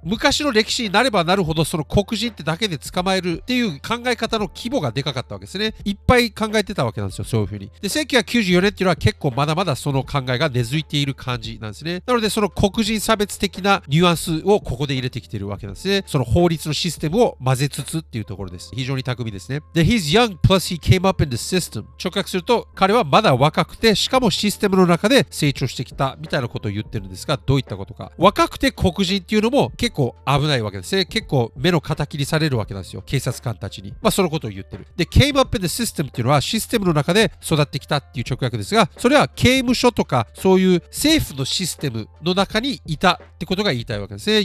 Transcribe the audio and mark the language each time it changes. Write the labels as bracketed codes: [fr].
[ja] 昔の歴史になればなるほどその黒人ってだけで捕まえるっていう考え方の規模がでかかったわけですね。いっぱい考えてたわけなんですよ、そういうふうに。で1994年っていうのは結構まだまだその考えが根付いている感じなんですね。なのでその黒人差別的なニュアンスをここで入れてきてるわけなんですね。その法律のシステムを混ぜつつっていうところです。非常に巧みですね。 [en] で、He's young plus he came up in the system。 [ja] 直訳すると、彼はまだ若くて、しかもシステムの中で成長してきたみたいなことを言ってるんですが、どういったことか。若くて黒人っていうのも結構危ないわけですね。結構目の敵にされるわけなんですよ、警察官たちに。まあ、そのことを言ってる。で、 [en] came up in the system [ja] っていうのは、システムの中で育ってきたっていう直訳ですが、それは刑務所とか、そういう政府のシステムの中にいたってことが言いたいわけですね。